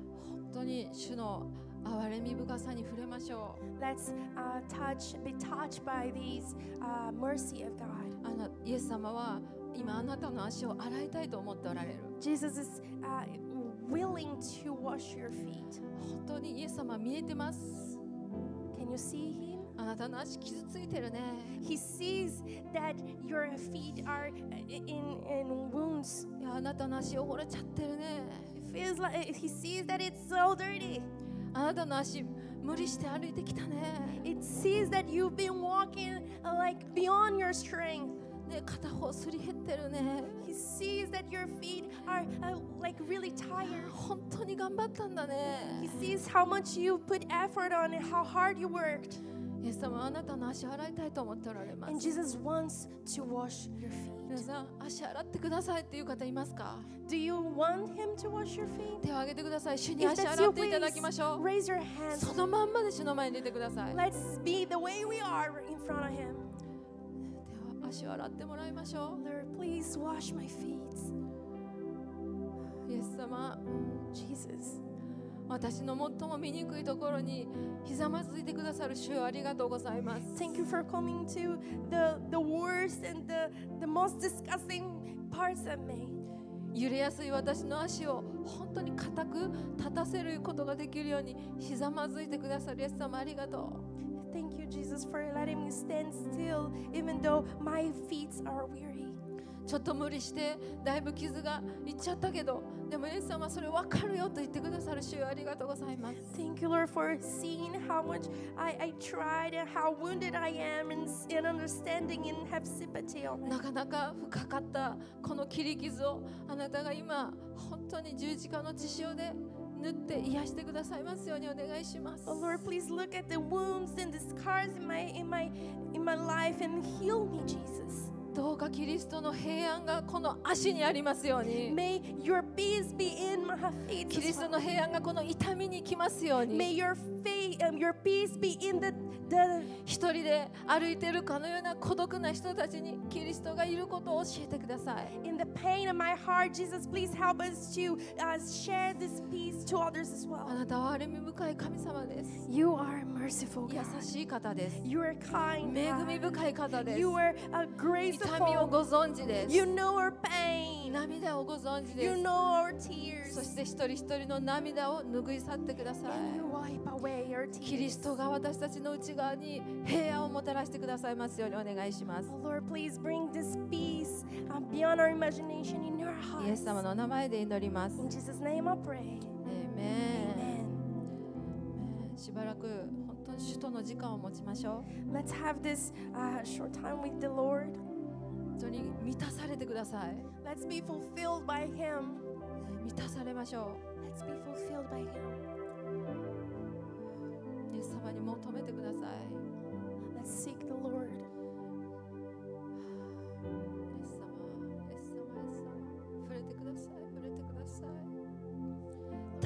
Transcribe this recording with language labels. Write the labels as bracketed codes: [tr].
[ja] 本当に主の憐れみ深さに触れましょう。 [en] Let's be touched by these mercy of God. [ja] イエス様は今あなたの足を洗いたいと思っておられる。 [en] Jesus is willing to wash your feet. [ja] 本当にイエス様見えてます。 [en] Can you see him? [ja] あなたの足傷ついてるね。 [en] He sees that your feet are in wounds. [ja] あなたの足汚れちゃってるね。 [en] He sees that it's so dirty. [ja] あなたの足無理して歩いてきたね。 [en] It sees that you've been walking like beyond your strength. [ja] ね、片方すり減ってるね。 [en] He sees that your feet are like really tired. [ja] 本当に頑張ったんだね。 [en] He sees how much you put effort on and how hard you worked. [ja] イエス様、あなたの足洗いたいと思っておられます。 [en] And Jesus wants to wash your feet. [ja] 皆さん、足洗ってくださいっていう方いますか？ [en] Do you want him to wash your feet? [ja] 手を挙げてください。主に足洗っていただきましょう。 [en] Raise your hands. [ja] そのまんまで主の前に出てください。 [en] Let's be the way we are in front of him. [ja] 手を足を洗ってもらいましょう。 [en] Lord, please wash my feet. [ja] イエス様、 [en] Jesus. [ja] 私の最も醜いところにひざまずいてくださる主ありがとうございます。 [en] Thank you for coming to the worst and the most disgusting parts of me. [ja] 揺れやすい私の足を本当に固く立たせることができるようにひざまずいてくださるイエス様ありがとう。 [en] Thank you Jesus for letting me stand still even though my feet are weary. [ja] ちょっと無理してだいぶ傷がいっちゃったけど、でもイエス様それ分かるよと言ってくださる主よありがとうございます。 [en] Thank you Lord for seeing how much I tried and how wounded I am and understanding and have sympathy on [ja] me. なかなか深かったこの切り傷をあなたが今本当に十字架の血潮で塗って癒してくださいますようにお願いします。 [en] Oh Lord please look at the wounds and the scars in my life and heal me Jesus. [ja] どうかキリストの平安がこの足にありますように。 [en] May your peace be in my feet. [ja] キリストの平安がこの痛みに来ますように。 [en] May your peace be in the [ja] 一人で歩いてるかのような孤独な人たちにキリストがいることを教えてください。 [en] In the pain of my heart, Jesus, please help us to share this peace to others as well. [ja] あなたは憐れみ深い神様です。 [en] You are merciful God. [ja] 優しい方です。 [en] You are kind God. [ja] 恵み深い方です。 [en] You are a grace [ja] 痛みをご存知です。 [en] You know our pain. [ja] 涙をご存知です。 [en] You know our tears. [ja] そして一人一人の涙を拭い去ってください。 [en] And you wipe away our tears. [ja] キリストが私たちの内側に平安をもたらしてくださいますようにお願いします。 [en] Oh Lord, please bring this peace beyond our imagination in your hearts. [ja] イエス様のお名前で祈ります。 [en] In Jesus' name, I pray. Amen. Amen. [ja] しばらく。主との時間を持ちましょう。 [en] Let's have this short time with the Lord. [ja] 本当に満たされてください。 [en] Let's be fulfilled by Him. [ja] 満たされましょう。 [en] Let's be fulfilled by Him. [ja] イエス様に求めてください。 [en] Let's seek the Lord. [ja] イエス様、イエス様、イエス様、触れてください、触れてください。